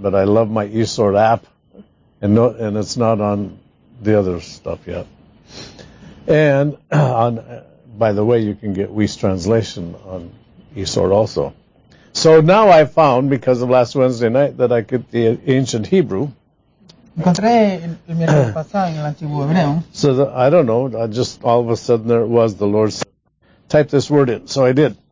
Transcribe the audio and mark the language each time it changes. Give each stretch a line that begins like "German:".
English: But I love my eSort app, and no, and it's not on the other stuff yet. And on, by the way, you can get Weiss translation on eSort also. So now I found, because of last Wednesday night, that I could the ancient Hebrew.
Spanish: Encontré el miércoles pasado en el antiguo hebreo.
English: So the, I don't know. I just all of a sudden there it was. The Lord said, "Type this word in." So I did.